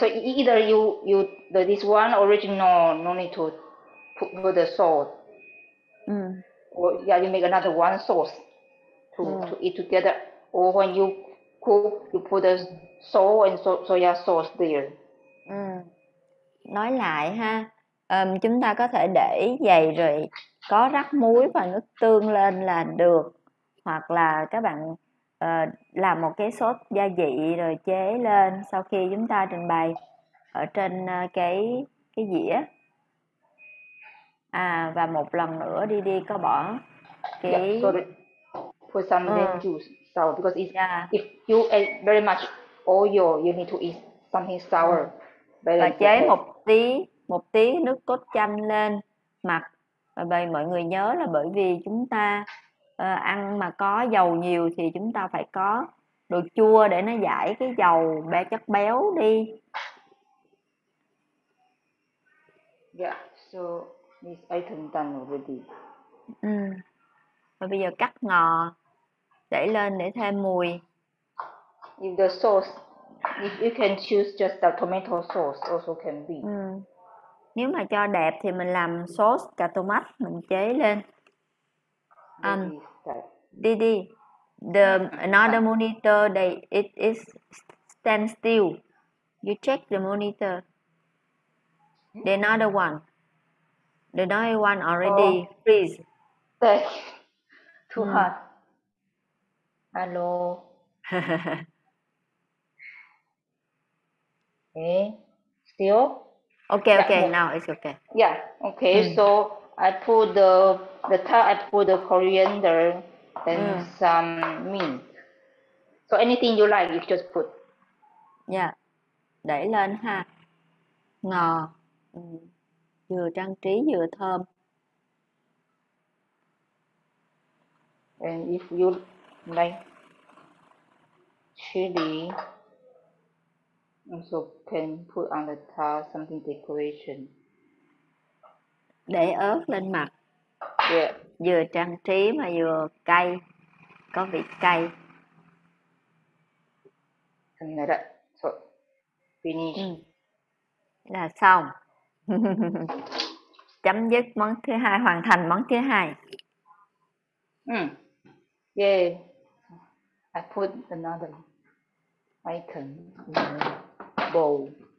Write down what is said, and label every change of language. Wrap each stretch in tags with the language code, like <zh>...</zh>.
<en>So either you the this one original, no need to put the salt. Or yeah, you make another one sauce to eat together. Or when you cook, you put the salt and soya sauce there.</en> <vi>Nói lại ha, chúng ta có thể để dày rồi có rắc muối và nước tương lên là được. Hoặc là các bạn làm một cái sốt gia vị rồi chế lên sau khi chúng ta trình bày ở trên cái dĩa. À, và một lần nữa đi đi có bỏ cái</vi> <en>put some lemon juice sour because if you add very much oil you need to eat something sour.</en> <vi>Và chế một tí nước cốt chanh lên mặt. Vậy mọi người nhớ là bởi vì chúng ta ăn mà có dầu nhiều thì chúng ta phải có đồ chua để nó giải cái dầu bé chất béo đi.</vi> <en>Yeah, so this item done already.</en> <vi>Và bây giờ cắt ngò để lên để thêm mùi.</vi> <en>If the sauce, if you can choose just the tomato sauce also can be.</en> <vi>Nếu mà cho đẹp thì mình làm sauce cà tomat mình chế lên.</vi> <en>Didi, the another monitor they it is stand still. You check the monitor. The another one. The other one already freeze. That's too hot. Hello. Okay. Still? Okay. Okay. Yeah. Now it's okay. Yeah. Okay. So I put the top. I put the coriander and some mint. So anything you like, you just put.</en> <vi>Yeah. Để lên ha. Ngò. Vừa trang trí vừa thơm.</vi> <en>And if you like chili, also can put on the top something decoration.</en> <vi>Để ớt lên mặt.</vi> <en>Yeah.</en> <vi>Vừa trang trí mà vừa cay, có vị cay.</vi> <en>Like that. So finish.</en> <vi>Là xong. Chấm dứt món thứ hai, hoàn thành món thứ hai.</vi> <en>Yeah, I put another item in the bowl.</en>